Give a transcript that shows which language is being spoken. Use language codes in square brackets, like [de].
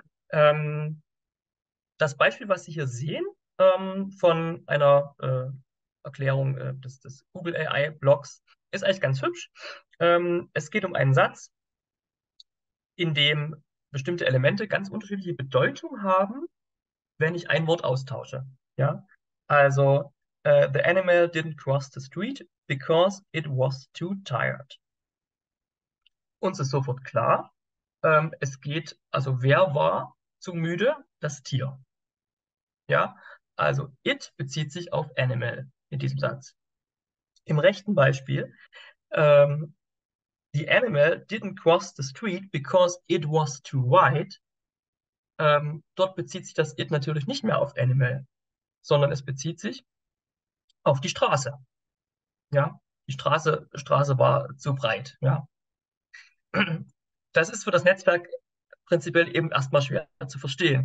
[de] Das Beispiel, was Sie hier sehen, von einer Erklärung des Google AI Blogs ist eigentlich ganz hübsch. Es geht um einen Satz, in dem bestimmte Elemente ganz unterschiedliche Bedeutung haben, wenn ich ein Wort austausche. Ja, also [en] the animal didn't cross the street because it was too tired. [de] Uns ist sofort klar, es geht, also wer war zu müde? Das Tier. Ja, also it bezieht sich auf animal in diesem Satz. Im rechten Beispiel, [en] the animal didn't cross the street because it was too wide. [de] Dort bezieht sich das it natürlich nicht mehr auf animal, sondern es bezieht sich auf die Straße. Ja, die Straße war zu breit. Ja. Das ist für das Netzwerk prinzipiell eben erstmal schwer zu verstehen.